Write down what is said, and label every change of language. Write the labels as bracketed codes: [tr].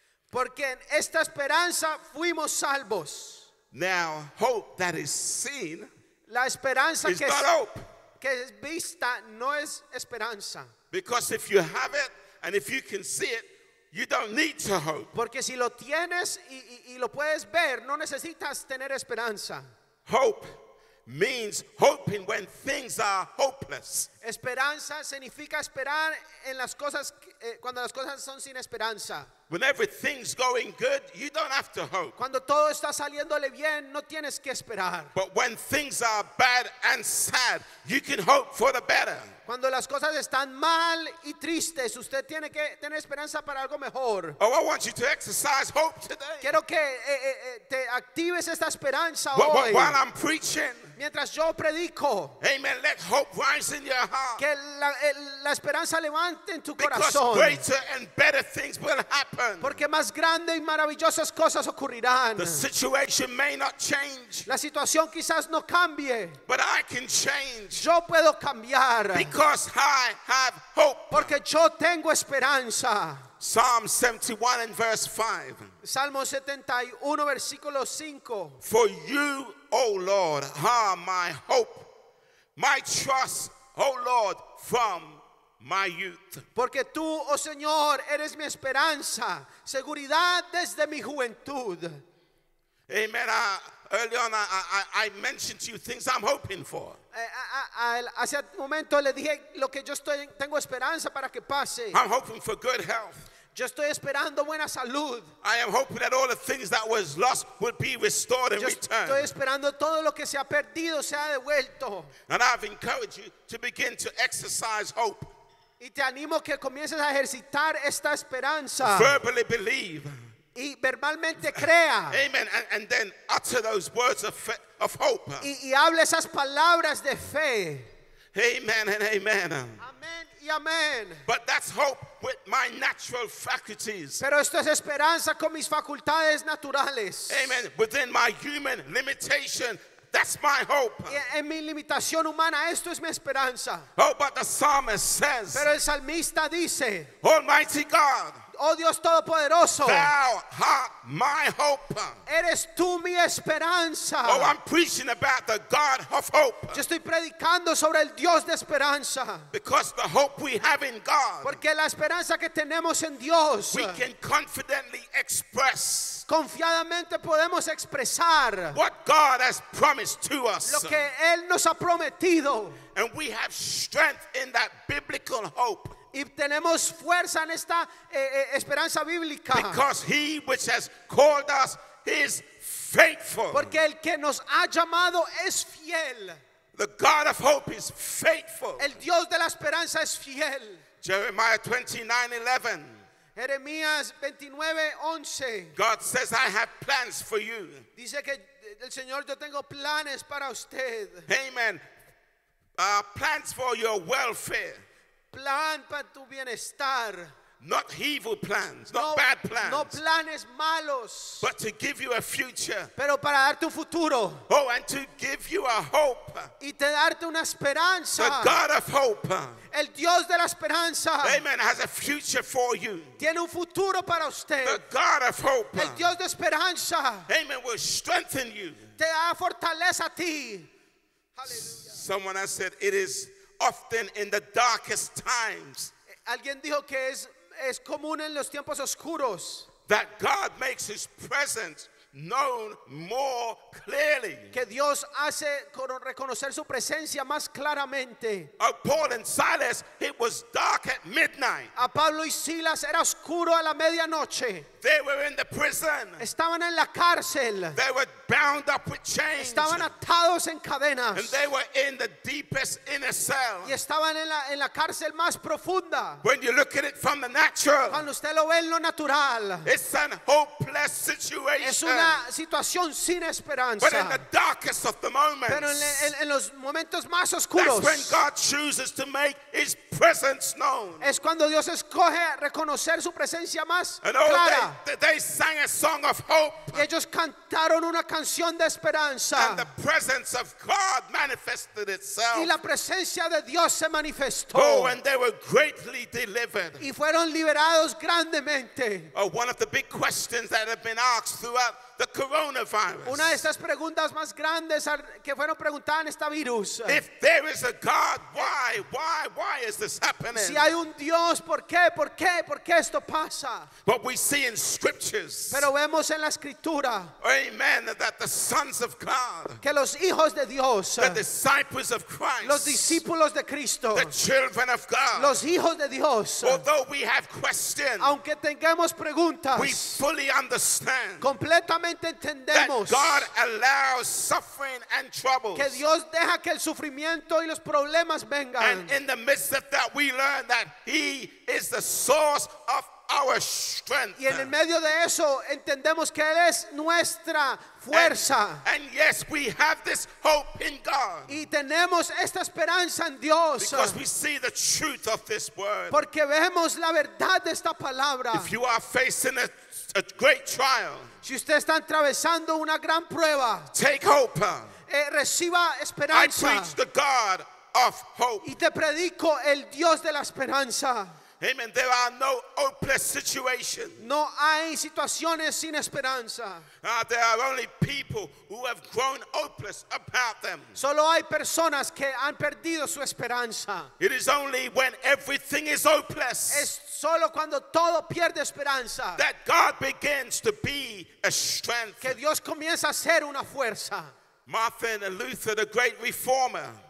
[es] Porque en esta esperanza fuimos salvos. [en] Now, hope that is seen, [es] la esperanza [en] is not hope. [es] Que es vista no es esperanza. [en] Because if you have it and if you can see it, you don't need to hope. [es] Porque si lo tienes y lo puedes ver, no necesitas tener esperanza. [en] Hope means hoping when things are hopeless. [es] Esperanza significa esperar en las cosas cuando las cosas son sin esperanza. [en] When everything's going good, you don't have to hope. [es] Cuando todo está saliéndole bien, no tienes que esperar. [en] But when things are bad and sad, you can hope for the better. [es] Cuando las cosas están mal y tristes, usted tiene que tener esperanza para algo mejor. [en] Oh, I want you to exercise hope today. [es] Quiero que te actives esta esperanza hoy. [en] While I'm preaching. [es] Mientras yo predico. [en] Amen. Let hope rise in your heart. [es] Que la esperanza levante en tu [en] Because [es] corazón. [en] Because greater and better things will happen. [es] Porque más grandes y maravillosas cosas ocurrirán. [en] The situation may not change. [es] La situación quizás no cambie. [en] But I can change. [es] Yo puedo cambiar. [en] Because I have hope. [es] Porque yo tengo esperanza. [en] Psalm 71 and verse 5. [es] Salmo 71, versículo 5. [en] For you, O Lord, are my hope, my trust, O Lord, from my youth. [es] Porque tú, oh Señor, eres mi esperanza, seguridad desde mi juventud. [en] Amen. Early on, I mentioned to you things I'm hoping for. [es] Hace un momento le dije lo que yo tengo esperanza para que pase. [en] I'm hoping for good health. [es] Yo estoy esperando buena salud. [en] I am hoping that all the things that was lost will be restored and returned. [es] Estoy esperando todo lo que se ha perdido sea devuelto. [en] And I've encouraged you to begin to exercise hope. [es] Y te animo que comiences a ejercitar esta esperanza. [en] Verbally believe. [es] Y verbalmente crea. [en] Amen. And then utter those words of hope. [es] Y hable esas palabras de fe. [en] Amen and amen. [es] Amen y amen. [en] But that's hope with my natural faculties. [es] Pero esto es esperanza con mis facultades naturales. [en] Amen. Within my human limitation. That's my hope. [es] En mi limitación humana, esto es mi esperanza. [en] Oh, but the psalmist says. [es] Pero el salmista dice. [en] Almighty God. [es] Oh Dios Todopoderoso. [en] Thou art my hope. [es] Eres tú mi esperanza. [en] Oh, I'm preaching about the God of hope. [es] Yo estoy predicando sobre el Dios de esperanza. [en] Because the hope we have in God. [es] Porque la esperanza que tenemos en Dios. [en] We can confidently express. [es] Confiadamente podemos expresar [en] what God has promised to us. [es] Lo que Él nos ha prometido. [en] And we have strength in that biblical hope. [es] Y tenemos fuerza en esta esperanza bíblica. [en] Because he which has called us is faithful. [es] Porque el que nos ha llamado es fiel. [en] The God of hope is faithful. [es] El Dios de la esperanza es fiel. [en] Jeremiah 29:11. [es] Jeremías 29:11. [en] God says, I have plans for you. [es] Dice que el Señor, yo tengo planes para usted. [en] Amen. Plans for your welfare. [es] Plan para tu bienestar. [en] Not evil plans, not bad plans. [es] No planes malos. [en] But to give you a future. [es] Pero para darte un futuro. [en] Oh, and to give you a hope. [es] Y te darte una esperanza. [en] The God of hope. [es] El Dios de la esperanza. [en] Amen. Has a future for you. [es] Tiene un futuro para usted. [en] The God of hope. [es] El Dios de esperanza. [en] Amen. Will strengthen you. [es] Te da fortaleza a ti. [en] Someone has said it is often in the darkest times. [es] Alguien dijo que es común en los tiempos oscuros. [en] That God makes his presence known more clearly. [es] Que Dios hace reconocer su presencia más claramente. [en] Of Paul and Silas, it was dark at midnight. [es] A Pablo y Silas era oscuro a la medianoche. [en] They were in the prison. [es] Estaban en la cárcel. [en] They were bound up with chains. [es] Estaban atados en cadenas. [en] And they were in the deepest inner cell. [es] Y estaban en la cárcel más profunda. [en] When you look at it from the natural. [es] Cuando usted lo ve en lo natural. [en] It's an hopeless situation. [es] Es una situación sin esperanza. [en] But in the darkest of the moments. [es] Pero en los momentos más oscuros. [en] That's when God chooses to make his presence known. [es] Es cuando Dios escoge reconocer su presencia más clara. [en] They sang a song of hope. [es] Y ellos cantaron una canción de esperanza. [en] And the presence of God manifested itself. [es] Y la presencia de Dios se manifestó. [en] Oh, and they were greatly delivered. [es] Y fueron liberados grandemente. [en] Oh, one of the big questions that have been asked throughout the coronavirus. [es] Una de estas preguntas más grandes que fueron preguntadas en esta virus. [en] If there is a God, why is this happening? [es] Si hay un Dios, ¿por qué esto pasa? [en] But we see in scriptures. [es] Pero vemos en la escritura. [en] Amen. That the sons of God. [es] Que los hijos de Dios. [en] The disciples of Christ. [es] Los discípulos de Cristo. [en] The children of God. [es] Los hijos de Dios. [en] Although we have questions. [es] Aunque tengamos preguntas. [en] We fully understand. [es] Completamente. [en] That God allows suffering and troubles. [es] Que Dios deja que el sufrimiento y los problemas vengan. [en] And in the midst of that, we learn that He is the source of our strength. [es] Y en el medio de eso entendemos que Él es nuestra fuerza. [en] And yes, we have this hope in God. [es] Y tenemos esta esperanza en Dios. [en] Because we see the truth of this word. [es] Porque vemos la verdad de esta palabra. [en] If you are facing a great trial. [es] Si usted está atravesando una gran prueba, [en] take hope. [es] Reciba esperanza. [en] I preach the God of hope. [es] Y te predico el Dios de la esperanza. [en] Amen. There are no hopeless situations. [es] No hay situaciones sin esperanza. [en] There are only people who have grown hopeless about them. [es] Solo hay personas que han perdido su esperanza. [en] It is only when everything is hopeless. [es] Es solo cuando todo pierde esperanza. [en] That God begins to be a strength. [es] Que Dios comienza a ser una fuerza. [en] Martin Luther, the great reformer.